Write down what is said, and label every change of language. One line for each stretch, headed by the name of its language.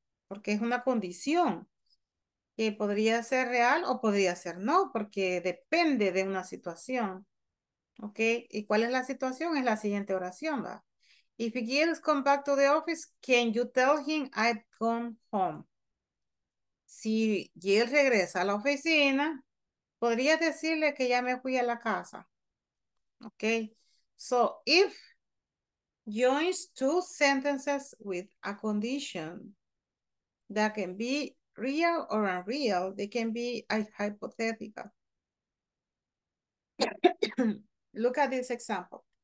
Spanish: Porque es una condición que podría ser real o podría ser no, porque depende de una situación. Okay, ¿y cuál es la situación? Es la siguiente oración, ¿va?
English: If Gilles come back to the office, can you tell him I've gone home?
Spanish: Si Gilles regresa a la oficina, ¿podrías decirle que ya me fui a la casa?
English: Okay, so if joins two sentences with a condition that can be real or unreal, they can be a hypothetical. Look at this example.